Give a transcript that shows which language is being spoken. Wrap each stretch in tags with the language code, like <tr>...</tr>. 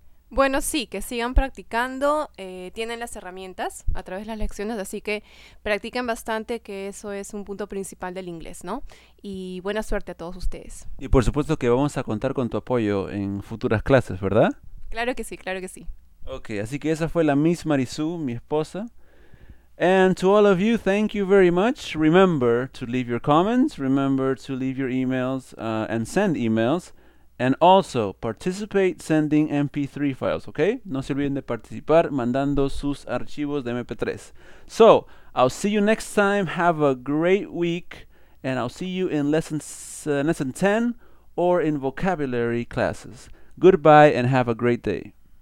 <es>Bueno, sí, que sigan practicando, tienen las herramientas a través de las lecciones, así que practiquen bastante, que eso es un punto principal del inglés, ¿no? Y buena suerte a todos ustedes. Y por supuesto que vamos a contar con tu apoyo en futuras clases, ¿verdad? Claro que sí, claro que sí. Okay, así que esa fue la Miss Marisú, mi esposa.</es> <en>And to all of you, thank you very much. Remember to leave your comments, remember to leave your emails and send emails. And also, participate sending MP3 files, okay?</en> <es>No se olviden de participar mandando sus archivos de MP3.</es> <en>So, I'll see you next time. Have a great week. And I'll see you in lesson 10 or in vocabulary classes. Goodbye and have a great day.</en>